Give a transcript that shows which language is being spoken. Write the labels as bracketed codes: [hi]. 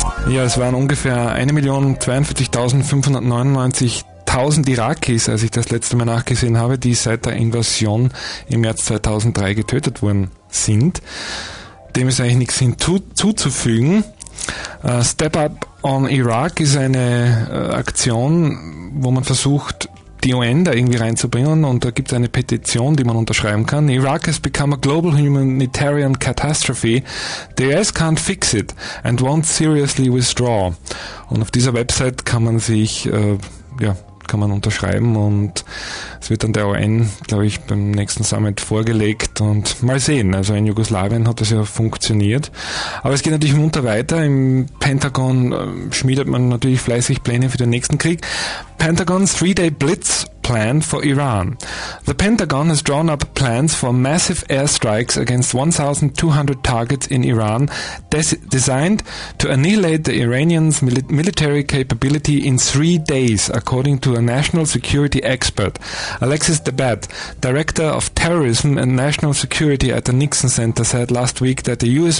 [de] Ja, es waren ungefähr 1.042.599.000 Irakis, als ich das letzte Mal nachgesehen habe, die seit der Invasion im März 2003 getötet worden sind. Dem ist eigentlich nichts hinzuzufügen. Step Up on Iraq ist eine Aktion, wo man versucht, die UN da irgendwie reinzubringen und da gibt es eine Petition, die man unterschreiben kann. [en] Iraq has become a global humanitarian catastrophe. The US can't fix it and won't seriously withdraw. [de] Und auf dieser Website kann man sich, kann man unterschreiben und es wird dann der UN, glaube ich, beim nächsten Summit vorgelegt und mal sehen. Also in Jugoslawien hat das ja funktioniert. Aber es geht natürlich munter weiter. Im Pentagon schmiedet man natürlich fleißig Pläne für den nächsten Krieg. [en] Pentagon's 3-day blitz plan for Iran. The Pentagon has drawn up plans for massive airstrikes against 1,200 targets in Iran, designed to annihilate the Iranians' military capability in 3 days, according to a national security expert, Alexis Debat, director of terrorism and national security at the Nixon Center, said last week that the U.S.